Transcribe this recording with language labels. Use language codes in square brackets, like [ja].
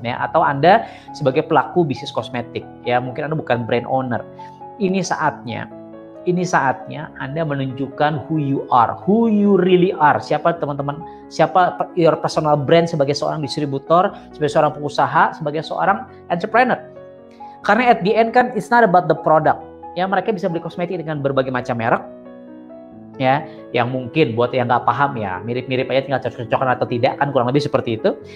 [id] Ya, atau Anda sebagai pelaku bisnis kosmetik, ya mungkin Anda bukan brand owner. Ini saatnya Anda menunjukkan [en] who you are, who you really are. [id] Siapa teman-teman, siapa [en] your personal brand [id] sebagai seorang distributor, sebagai seorang pengusaha, sebagai seorang entrepreneur. [en] Karena at the end kan, it's not about the product. [id] Ya, mereka bisa beli kosmetik dengan berbagai macam merek. Ya, yang mungkin buat yang nggak paham ya, mirip-mirip aja tinggal cocok-cocokan atau tidak, kan kurang lebih seperti itu.